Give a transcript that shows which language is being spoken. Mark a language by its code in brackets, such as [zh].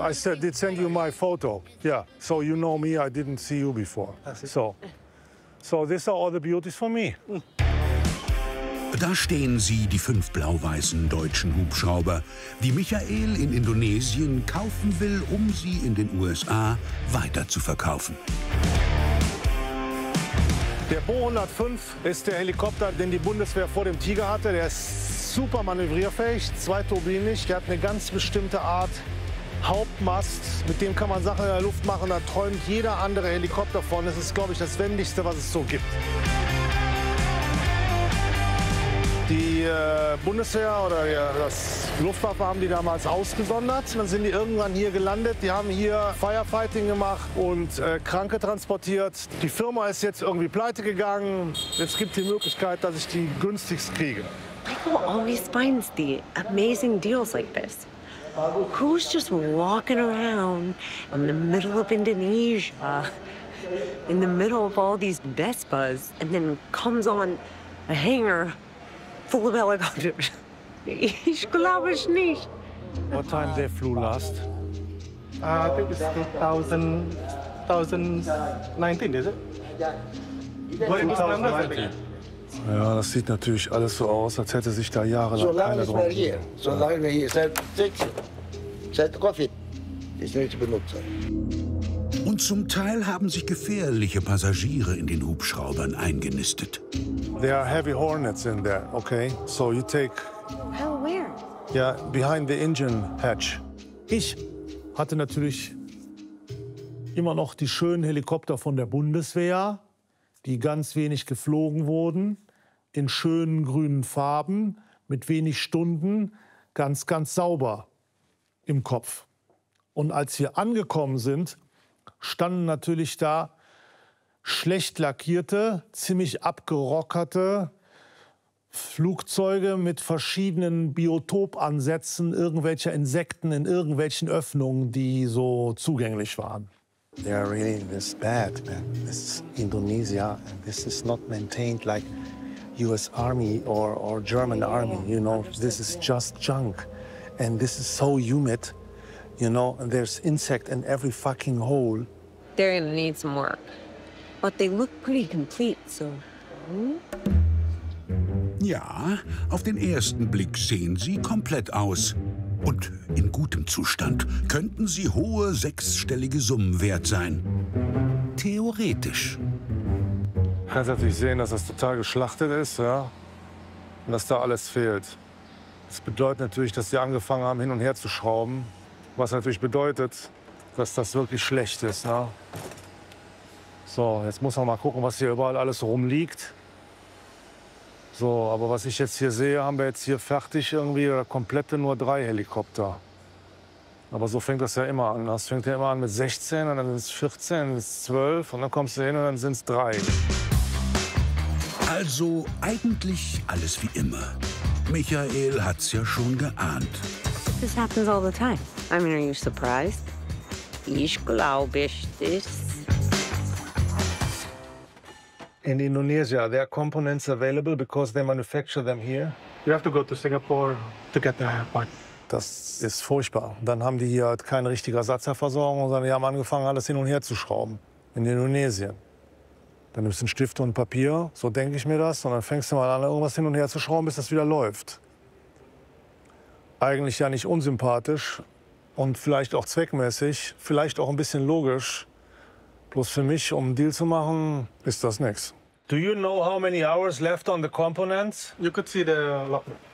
[en] I said, did send you my photo. Yeah, so you know me. I didn't see you before. So these are all the beauties for me. [de] Da stehen sie, die fünf blau-weißen deutschen Hubschrauber, die Michael in Indonesien kaufen will, um sie in den USA weiter zu verkaufen. Der Bo 105 ist der Helikopter, den die Bundeswehr vor dem Tiger hatte. Der ist super manövrierfähig, zweiturbinig. Der hat eine ganz bestimmte Art Hauptmast. Mit dem kann man Sachen in der Luft machen. Da träumt jeder andere Helikopter von. Das ist, glaube ich, das Wendigste, was es so gibt. Die Bundeswehr oder das Luftwaffe haben die damals ausgesondert. Dann sind die irgendwann hier gelandet. Die haben hier Firefighting gemacht und Kranke transportiert. Die Firma ist jetzt irgendwie pleite gegangen. Jetzt gibt es die Möglichkeit, dass ich die günstigst kriege. [en] Michael always finds the amazing deals like this. Who's just walking around in the middle of Indonesia, in the middle of all these Vespas, and then comes on a hangar full of helicopters? [de] Ich glaube es nicht. [en] What time they flew last? I think it's 2019, is it? Yeah. 2019. [de] Ja, das sieht natürlich alles so aus, als hätte sich da jahrelang keiner drum gekümmert. Solange wir hier sind, seit Covid, ist nicht benutzt. Und zum Teil haben sich gefährliche Passagiere in den Hubschraubern eingenistet. [en] There are heavy hornets in there, okay? So you take... How, where? Yeah, behind the engine hatch. [de] Ich hatte natürlich immer noch die schönen Helikopter von der Bundeswehr, die ganz wenig geflogen wurden, in schönen grünen Farben, mit wenig Stunden, ganz, ganz sauber im Kopf. Und als wir angekommen sind, standen natürlich da schlecht lackierte, ziemlich abgerockerte Flugzeuge mit verschiedenen Biotopansätzen irgendwelcher Insekten in irgendwelchen Öffnungen, die so zugänglich waren. [en] They are really this bad, man. This is Indonesia, and this is not maintained like U.S. Army or German army. You know, this is just junk, and this is so humid. You know, and there's insect in every fucking hole. They're gonna need some work, but they look pretty complete, so. [de] Ja, auf den ersten Blick sehen sie komplett aus. Und in gutem Zustand könnten sie hohe sechsstellige Summen wert sein. Theoretisch. Du kannst natürlich sehen, dass das total geschlachtet ist, ja? Und dass da alles fehlt. Das bedeutet natürlich, dass sie angefangen haben, hin und her zu schrauben. Was natürlich bedeutet, dass das wirklich schlecht ist, ja? So, jetzt muss man mal gucken, was hier überall alles rumliegt. So, aber was ich jetzt hier sehe, haben wir jetzt hier fertig irgendwie oder komplette nur drei Helikopter. Aber so fängt das ja immer an. Das fängt ja immer an mit 16 und dann sind es 14, dann sind es 12 und dann kommst du hin und dann sind es drei. Also eigentlich alles wie immer. Michael hat's ja schon geahnt. [en] This happens all the time. I mean, are you surprised? [de] Ich glaube es. [en] In Indonesia, there are components available because they manufacture them here. You have to go to Singapore to get the part. [de] Das ist furchtbar. Dann haben die hier halt keine richtige Ersatzversorgung, sondern die haben angefangen, alles hin und her zu schrauben. In Indonesien. Dann nimmst du einen Stift und Papier, so denke ich mir das, und dann fängst du mal an, irgendwas hin und her zu schrauben, bis das wieder läuft. Eigentlich ja nicht unsympathisch und vielleicht auch zweckmäßig, vielleicht auch ein bisschen logisch. Bloß für mich, um einen Deal zu machen, ist das nix. [en] Do you know how many hours left on the components? You could see the locker.